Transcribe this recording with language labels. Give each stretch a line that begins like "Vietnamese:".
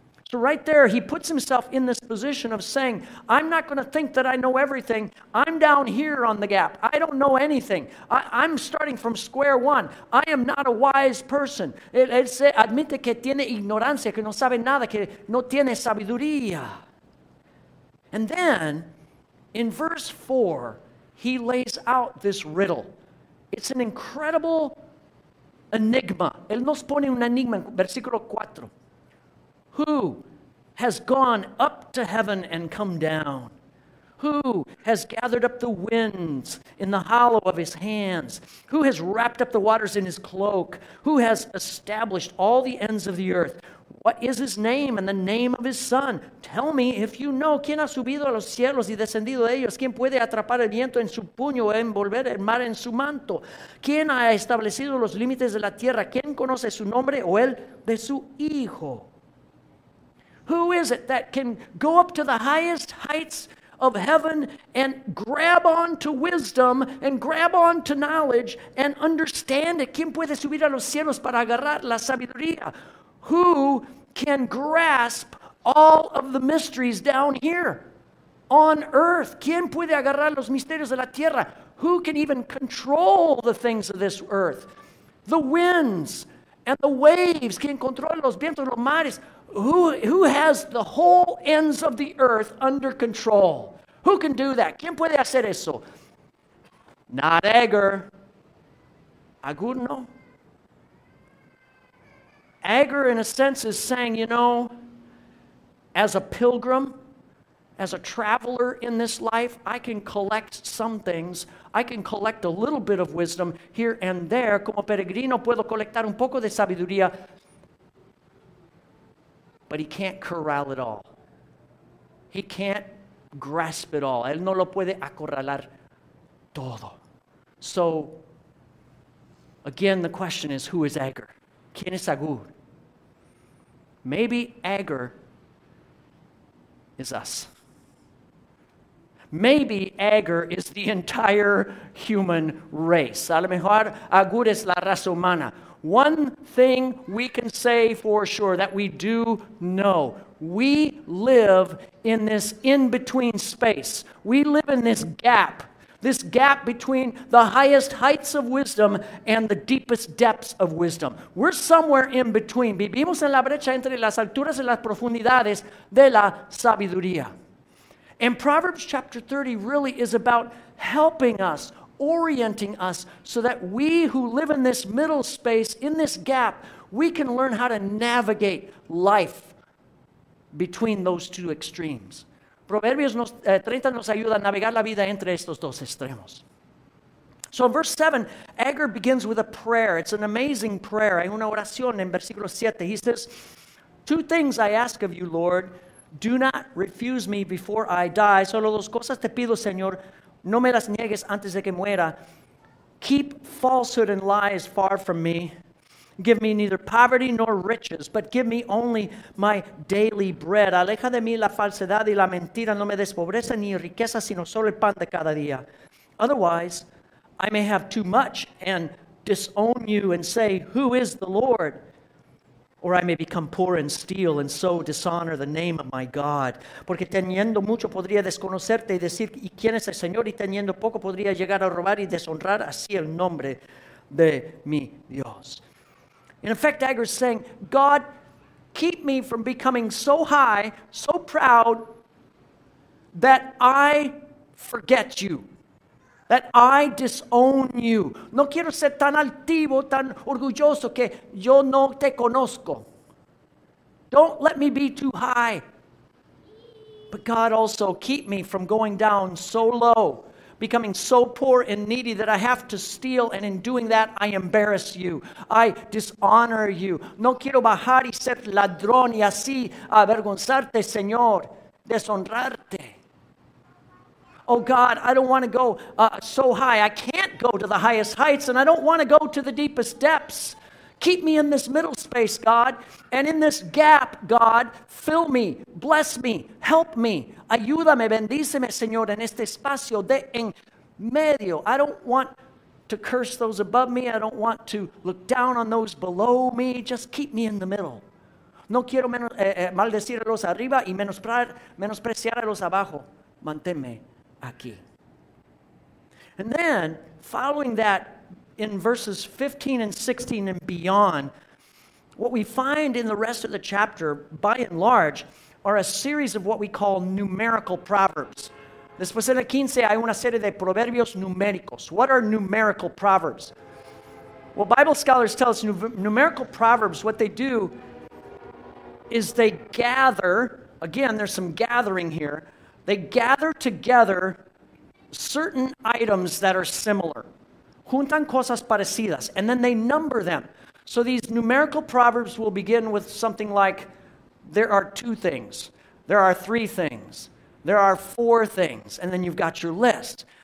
English: So right there, he puts himself in this position of saying, I'm not going to think that I know everything. I'm down here on the gap. I don't know anything. I'm starting from square one. I am not a wise person.
Spanish: Él se admite que tiene ignorancia, que no sabe nada, que no tiene sabiduría.
English: And then, in verse 4, he lays out this riddle. It's an incredible enigma.
Spanish: Él nos pone un enigma en versículo 4.
English: Who has gone up to heaven and come down? Who has gathered up the winds in the hollow of his hands? Who has wrapped up the waters in his cloak? Who has established all the ends of the earth? What is his name and the name of his son? Tell me if you know.
Spanish: ¿Quién ha subido a los cielos y descendido de ellos? ¿Quién puede atrapar el viento en su puño o envolver el mar en su manto? ¿Quién ha establecido los límites de la tierra? ¿Quién conoce su nombre o el de su hijo?
English: Who is it that can go up to the highest heights of heaven and grab on to wisdom and grab on to knowledge and understand it?
Spanish: ¿Quién puede subir a los cielos para agarrar la sabiduría?
English: Who can grasp all of the mysteries down here on earth?
Spanish: ¿Quién puede agarrar los misterios de la tierra?
English: Who can even control the things of this earth? The winds and the waves.
Spanish: ¿Quién controla los vientos, los mares?
English: Who has the whole ends of the earth under control? Who can do that?
Spanish: ¿Quién puede hacer eso?
English: Not Agur.
Spanish: Agur no.
English: Agur, in a sense, is saying, you know, as a pilgrim, as a traveler in this life, I can collect some things. I can collect a little bit of wisdom here and there.
Spanish: Como peregrino puedo colectar un poco de sabiduría.
English: but he can't corral it all. He can't grasp it all.
Spanish: Él no lo puede acorralar todo.
English: So, again, the question is, who is Agur?
Spanish: ¿Quién es Agur?
English: Maybe Agur is us. Maybe Agur is the entire human race.
Spanish: A lo mejor Agur es la raza humana.
English: One thing we can say for sure that we do know, we live in this in-between space. We live in this gap between the highest heights of wisdom and the deepest depths of wisdom. We're somewhere in between.
Spanish: Vivimos en la brecha entre las alturas y las profundidades de la sabiduría.
English: And Proverbs chapter 30 really is about helping us, orienting us, so that we who live in this middle space, in this gap, we can learn how to navigate life between those two extremes.
Spanish: Proverbios 30 nos ayuda a navegar la vida entre estos dos extremos.
English: So in verse 7, Agur begins with a prayer. It's an amazing prayer.
Spanish: Hay una oración en versículo 7.
English: He says, two things I ask of you, Lord. Do not refuse me before I die.
Spanish: Solo dos cosas te pido, Señor. No me las niegues antes de que muera.
English: Keep falsehood and lies far from me. Give me neither poverty nor riches, but give me only my daily bread.
Spanish: Aleja de mí la falsedad y la mentira. No me des pobreza ni riqueza, sino solo el pan de cada día.
English: Otherwise, I may have too much and disown you and say, who is the Lord? Or I may become poor and steal and so dishonor the name of my God.
Spanish: Porque teniendo mucho podría desconocerte y decir, ¿y quién es el Señor? Y teniendo poco podría llegar a robar y deshonrar así el nombre de mi Dios.
English: In effect, Agur is saying, God, keep me from becoming so high, so proud, that I forget you. That I disown you.
Spanish: No quiero ser tan altivo, tan orgulloso que yo no te conozco.
English: Don't let me be too high. But God also keep me from going down so low, becoming so poor and needy that I have to steal, and in doing that I embarrass you. I dishonor you.
Spanish: No quiero bajar y ser ladrón y así avergonzarte, Señor, deshonrarte.
English: Oh God, I don't want to go so high. I can't go to the highest heights, and I don't want to go to the deepest depths. Keep me in this middle space, God. And in this gap, God, fill me, bless me, help me.
Spanish: Ayúdame, bendíceme, Señor, en este espacio de en medio.
English: I don't want to curse those above me. I don't want to look down on those below me. Just keep me in the middle.
Spanish: No quiero maldecir a los arriba y menospreciar a los abajo. Manténme aquí.
English: And then, following that, in verses 15 and 16 and beyond, what we find in the rest of the chapter, by and large, are a series of what we call numerical proverbs.
Spanish: Después en el 15 hay una serie de proverbios numéricos.
English: What are numerical proverbs? Well, Bible scholars tell us numerical proverbs, what they do is they gather, again, there's some gathering here, they gather together certain items that are similar.
Spanish: Juntan cosas parecidas,
English: and then they number them. So these numerical proverbs will begin with something like, there are two things, there are three things, there are four things, and then you've got your list.